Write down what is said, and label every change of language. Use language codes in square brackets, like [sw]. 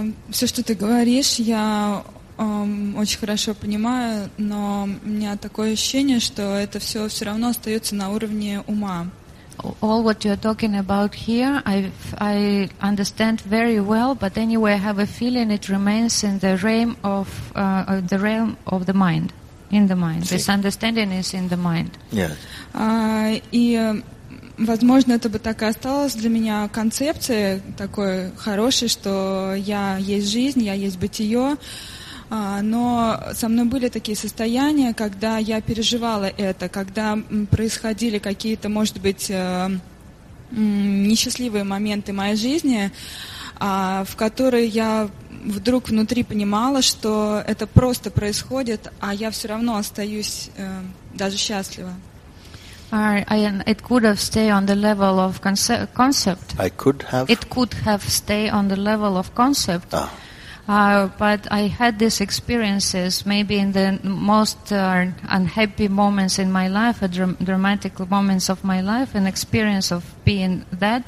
[ru] Все, что ты говоришь, я очень хорошо понимаю, но у меня такое ощущение, что это все равно остается на уровне ума. [en] All what you're talking about here, I understand very well, but anyway, I have a feeling it remains in the realm of the mind, in the mind. Sí. This understanding is in the mind. Yes. [ru] И, возможно, это бы так и осталось для меня концепция такой хорошей, что я есть жизнь, я есть бытие. Но со мной были такие состояния, когда я переживала это, когда происходили какие-то, может быть, несчастливые моменты в моей жизни, в которые я вдруг внутри понимала, что это просто происходит, а я все равно остаюсь даже счастлива. [en] It could have stayed on the level of concept. I could have. It could have stayed on the level of concept. Ah. But I had these experiences, maybe in the most unhappy moments in my life, dramatic moments of my life, an experience of being that.